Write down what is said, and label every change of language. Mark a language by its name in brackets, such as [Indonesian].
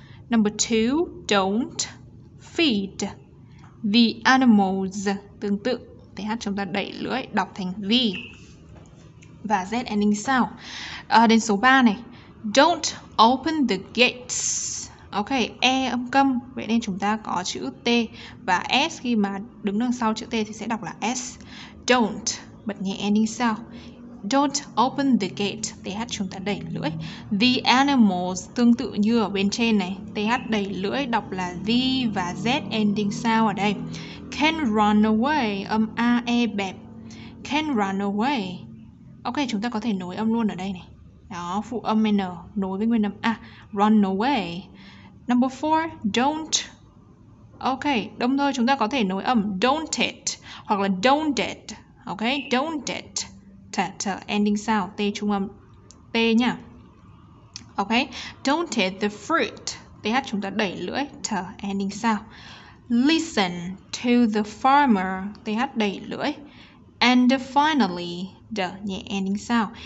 [English] Number two, don't feed the animals. [Vietnamese] Tương tự, TH chúng ta đẩy lưỡi, đọc thành the. Và Z ending sound. Đến số 3 này. [English] Don't open the gates. [Vietnamese] Ok, E âm câm, vậy nên chúng ta có chữ T và S khi mà đứng đằng sau chữ T thì sẽ đọc là S. [English] Don't, [Vietnamese] bật nhẹ [English] ending sound. Don't open the gate, TH [Vietnamese] chúng ta đẩy lưỡi. [English] The animals, [Vietnamese] tương tự như ở bên trên này, TH đẩy lưỡi đọc là V và Z ending sound ở đây. [English] Can run away, [Vietnamese] âm A, E bẹp. [English] Can run away. [Vietnamese] Ok, chúng ta có thể nối âm luôn ở đây này. Đó, phụ âm N nối với nguyên âm A, run away. [English] Number 4, don't. [Vietnamese] Ok, đúng thôi, chúng ta có thể nối âm don't it hoặc là don't it. [English] Ok, don't it. Ending sound, T [Vietnamese] trung âm T nha. [English] Ok, don't hit the fruit. TH chúng ta đẩy lưỡi, ending sound. Listen to the farmer. TH [Vietnamese] đẩy lưỡi. [English] And finally, D, nhẹ ending sound.